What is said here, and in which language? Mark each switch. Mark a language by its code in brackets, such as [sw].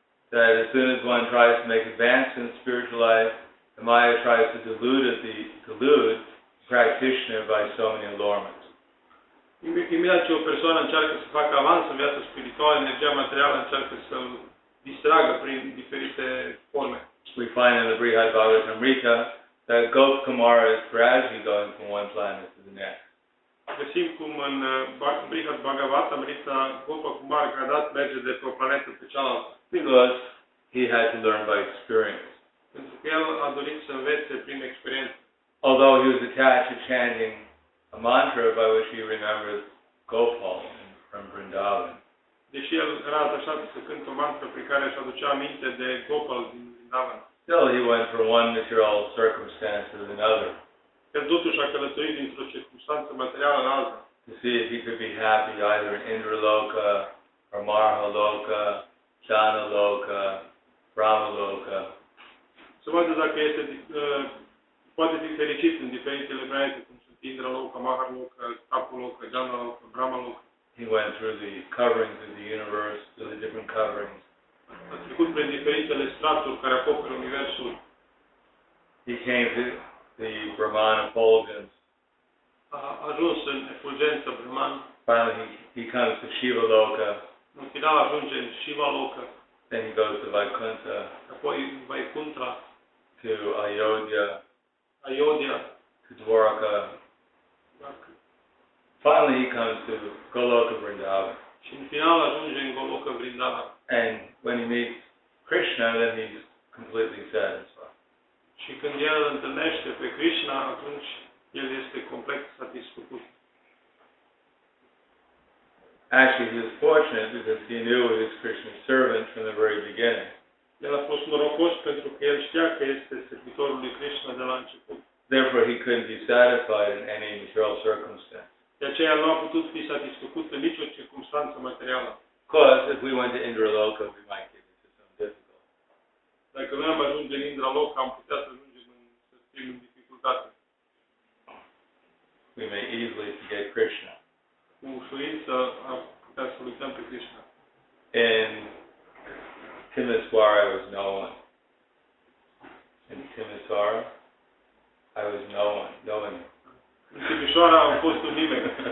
[en] That as soon as one tries to make advance in spiritual life, the Maya tries to delude the practitioner by so many allurements. [ro] Imediat ce o persoană încearcă să facă avans în viața spirituală, energia materială încearcă să distragă prin diferite forme. [en] We find in the Brihad Bhagavatamrita that Gop Kumara is gradually going from one planet to the next. [ro] Găsim cum în Brihad Bhagavata, Mrita, Gopa Kumar, gradat merge de pe o planetă pe cealaltă. [en] Because he had to learn by experience. [ro] Pentru că el a dorit să învețe prin experiență. [en] Although he was attached to chanting a mantra by which he remembered Gopal from Vrindavan. [ro] Deși el era atașat să cânte o mantră prin care își aducea aminte de Gopal din Vrindavan. [en] Still he went from one material circumstance to another. [ro] El totuși a călătorit dintr-o circunstanță materială în alta. [en] To see if he could be happy either in Indraloka, or Marhaloka, Chanaloka, Brahmaloka. [ro] Să vadă dacă este, poate fi fericit în diferitele planete, cum sunt Indraloka, Marhaloka, Tapuloka, Chanaloka, Brahmaloka. [en] He went through the coverings of the universe, through the different coverings. [ro] A trecut prin diferitele straturi care acoperă universul. [en] He came to the Brahman effulgence. [ro] Ajuns în efulgență Brahman. [en] Finally he comes to Shiva Loka. [ro] În final ajunge în Shiva Loka. [en] Then he goes to Vaikuntha. [ro] Apoi Vaikuntha. [en] To Ayodhya. [ro] Ayodhya. [en] To Dwaraka. Finally he comes to Goloka Vrindavan. [ro] Și în final ajunge în Goloka Vrindavan. [en] And when he meets Krishna, then he's completely satisfied. [ro] Și când el întâlnește pe Krishna, atunci el este complet satisfăcut. [en] Actually, he was fortunate because he knew he was Krishna's servant from the very beginning. [ro] El a fost norocos pentru că el știa că este servitorul lui Krishna de la început. [en] Therefore, he couldn't be satisfied in any material circumstance. [ro] De aceea, el nu a putut fi satisfăcut în nicio circunstanță materială. [en] Because if we went to Indraloka, we might get into some difficulty. [ro] Dacă noi am ajuns în Indraloka, am putea să ajungem în, să fim în dificultate. [en] We may easily forget Krishna. [ro] Cu ușurință am putea să uităm pe Krishna. [en] In Timisoara, I was no one. In Timisoara, I was no one. No one. [ro] În Timisoara am fost un nimic.